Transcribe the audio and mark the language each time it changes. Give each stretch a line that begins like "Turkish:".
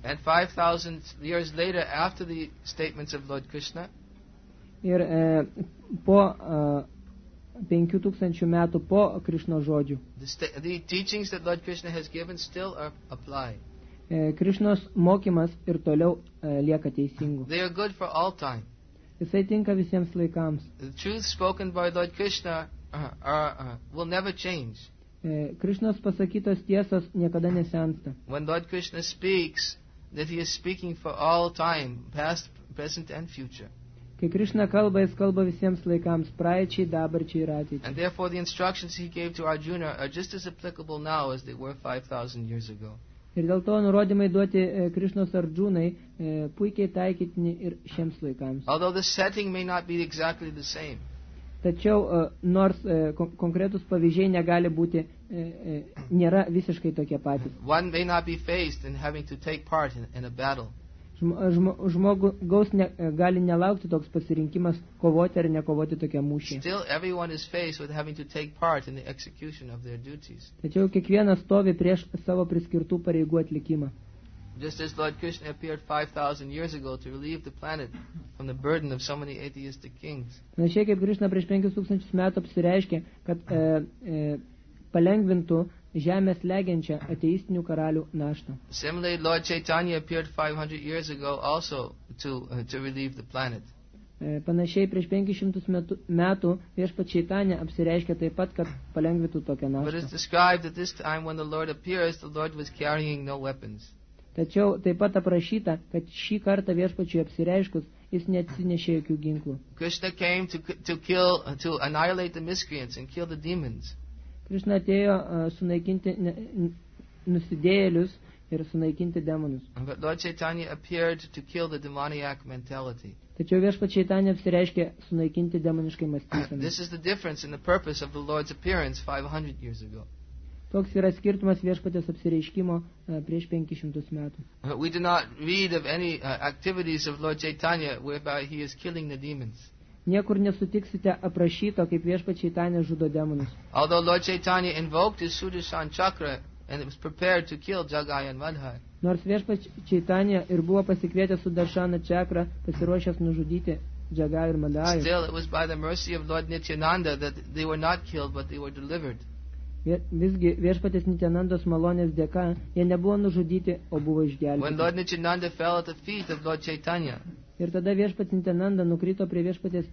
English: And 5,000 years later after the statements of Lord Krishna.
Lithuanian: Ir po 5,000 metų po Krishna žodžių.
English: The teachings that Lord Krishna has given still apply.
Lithuanian: Krishnos mokymas ir toliau lieka teisingu.
English: They are good for all time.
Lithuanian: Jisai tinka visiems laikams.
English: The truth spoken by Lord Krishna will never change.
Lithuanian: Krishnos pasakytos tiesos niekada nesensta.
English: When Lord Krishna speaks, that he is speaking for all time, past, present and future.
Lithuanian: Kai Krishna kalba, jis kalba visiems laikams, praeičiai, dabarčiai ir ateičiai.
English: And therefore the instructions he gave to Arjuna are just as applicable now as they were 5,000 years ago.
Lithuanian: Ir dėl to nurodymai duoti Krishnos Arjunai puikiai taikytini ir šiems laikams.
English: Although the setting may not be exactly the same.
Lithuanian: Tačiau nors konkretus pavyzdžiai negali būti, nėra visiškai tokie patys.
English: One may not be faced in having to take part in a battle.
Lithuanian: Žmogus gali nelaukti toks pasirinkimas kovoti ar nekovoti tokią mūšį.
English: Still everyone is faced with having to take part in the execution of their duties.
Lithuanian: Tačiau kiekvienas stovi prieš savo priskirtų pareigų atlikimą.
English: Just as Lord Krishna appeared 5,000 years ago to relieve the planet from the burden of so many atheistic kings.
Lithuanian: Panašiai kaip Krishna prieš 5,000 metų apsireiškė, kad palengvintų žemės legiančią ateistinių karalių naštą.
English: Similarly, Lord Chaitanya appeared 500 years ago also to relieve the planet.
Lithuanian: Panašiai prieš 500 metų viešpat Chaitanya apsireiškė taip pat, kad palengvintų tokią naštą.
English: But it's described that this time when the Lord appears, the Lord was carrying no weapons.
Lithuanian: Tačiau taip pat aprašyta, kad šį kartą viešpačiui apsireiškus, jis neatsinešė jokių ginklų.
English: Krishna came to annihilate the miscreants and kill the demons.
Lithuanian: Krishna atėjo sunaikinti nusidėjėlius ir sunaikinti demonus.
English: But Lord Chaitanya appeared to kill the demoniac mentality.
Lithuanian: Tačiau viešpačiui Chaitanya apsireiškė sunaikinti demoniškai mąstyseną.
English: This is the difference in the purpose of the Lord's appearance 500 years ago.
Lithuanian: Toks yra skirtumas viešpatės apsireiškimo prieš 500 metų.
English: We do not read of any activities of Lord Chaitanya whereby he is killing the demons.
Lithuanian: Niekur nesutiksite aprašyto, kaip viešpats Chaitanya žudo demonus.
English: Although Lord Chaitanya invoked his Sudarshan chakra and was prepared to kill Jagai and Manhar.
Lithuanian: Nors viešpats Chaitanya ir buvo pasikvietęs Sudarshana chakra, pasiruošęs nužudyti Jagai ir Manhar.
English: Still it was by the mercy of Lord Nityananda that they were not killed but they were delivered.
Lithuanian: Visgi viešpatės Nityanandos malonės dėka, jie nebuvo nužudyti, o buvo išgelbėti. Ir tada viešpatė Nityananda nukrito prie viešpatės